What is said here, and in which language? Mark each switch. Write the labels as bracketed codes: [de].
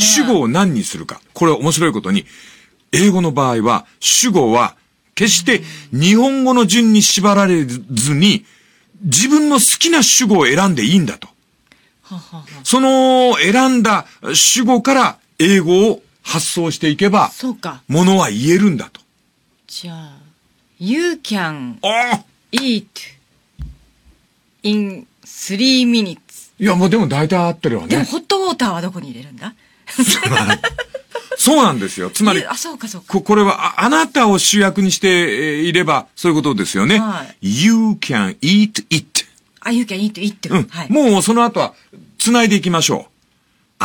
[ja] 主語を何にするか、これは面白いことに英語の場合は主語は決して日本語の順に縛られずに自分の好きな主語を選んでいいんだと。その選んだ主語から英語を発想していけば、そうか、ものは言えるんだと。じゃあ [en] You can eat in three minutes。 [ja] いや、もうでも大体合ってるわね。でもホットウォーターはどこに入れるんだ？そうなんですよ。つまり、あ、そうかそうか、これは あなたを主役にしていればそういうことですよね。はい、 [en] You can eat it。 [ja] あ、 [en] You can eat it、 [ja] うん、はい、もうその後はつないでいきましょう。